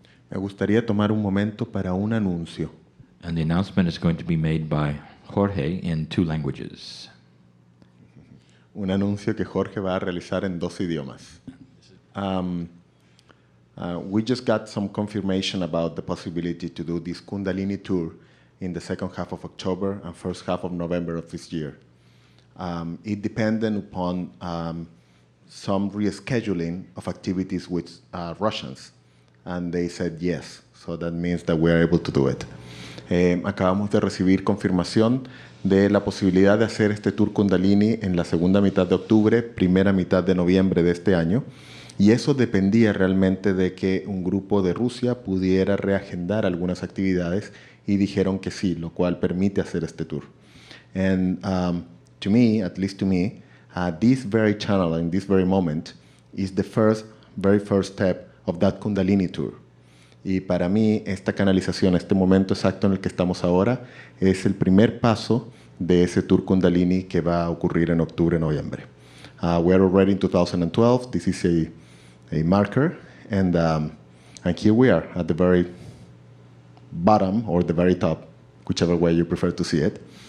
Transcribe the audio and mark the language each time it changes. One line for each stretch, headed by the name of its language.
Spanish: Me gustaría tomar un momento para un anuncio.
English: And the announcement is going to be made by Jorge in two languages.
Spanish: Un anuncio que Jorge va a realizar en dos idiomas.
English: We just got some confirmation about the possibility to do this Kundalini tour in the second half of October and first half of November of this year. It depended upon some rescheduling of activities with Russians, and they said yes, so that means that we are able to do it.
Spanish: Acabamos de recibir confirmación de la posibilidad de hacer este tour Kundalini en la segunda mitad de octubre, primera mitad de noviembre de este año, y eso dependía realmente de que un grupo de Rusia pudiera reagendar algunas actividades, y dijeron que sí, lo cual permite hacer este tour.
English: And to me, at least to me, this very channel, in this very moment, is the first, very first step of that Kundalini tour.
Spanish: Y para mí, esta canalización, este momento exacto en el que estamos ahora, es el primer paso de ese tour Kundalini que va a ocurrir en octubre, noviembre.
English: We are already in 2012. This is a marker. And here we are, at the very bottom, or the very top, whichever way you prefer to see it.